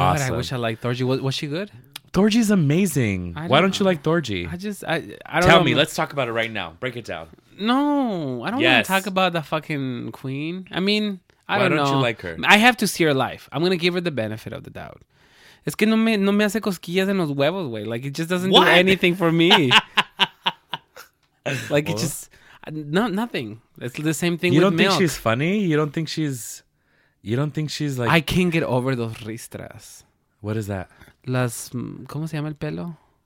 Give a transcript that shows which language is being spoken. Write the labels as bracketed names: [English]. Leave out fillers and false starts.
[English] Awesome. I wish I liked Thorji. Was she good? Thorji's amazing. Why don't you like Thorji? I don't know. Tell me. Let's talk about it right now. Break it down. No. I don't want to talk about the fucking queen. I mean, Why don't you like her? I have to see her life. I'm going to give her the benefit of the doubt. [Spanish] Es que no me hace cosquillas en los huevos, güey. [English] Like, it just doesn't do anything for me. Like, it just... No, nothing. It's the same thing with milk. You don't think she's funny? You don't think she's like... I can't get over those ristras. What is that? [Spanish] Las... ¿Cómo se llama el pelo?